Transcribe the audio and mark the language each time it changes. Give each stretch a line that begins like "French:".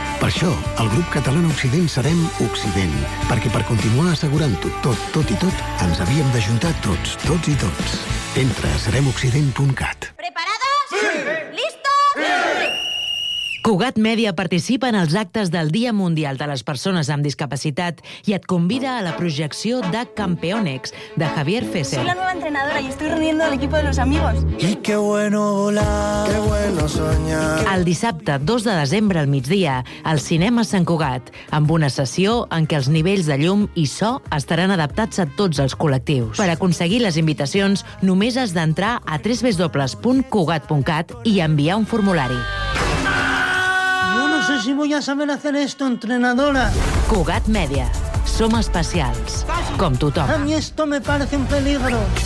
Catalan: Per això, el grup català Occident serem Occident, perquè per continuar assegurant-ho tot, tot i tot, ens havíem d'ajuntar tots, tots i tots. Entra a seremoccident.cat.
Spanish: ¿Preparados? ¡Sí! ¿Listos? ¡Sí!
Catalan: Cugat Media participa en els actes del Dia Mundial de les Persones amb Discapacitat i et convida a la projecció de Campeonex, de Javier Fesser.
Spanish: Soy la nueva entrenadora y estoy reuniendo al equipo de los amigos. Y qué bueno volar, qué bueno soñar.
Catalan: El dissabte 2 de desembre al migdia, al Cinema Sant Cugat, amb una sessió en què els nivells de llum i so estaran adaptats a tots els col·lectius. Per aconseguir les invitacions, només has d'entrar a www.cugat.cat i enviar un formulari.
Spanish: No sé si voy a saber hacer esto, entrenadora.
Catalan: Cugat Media. Som especials. Com tothom.
Spanish: A mi esto me parece un peligro.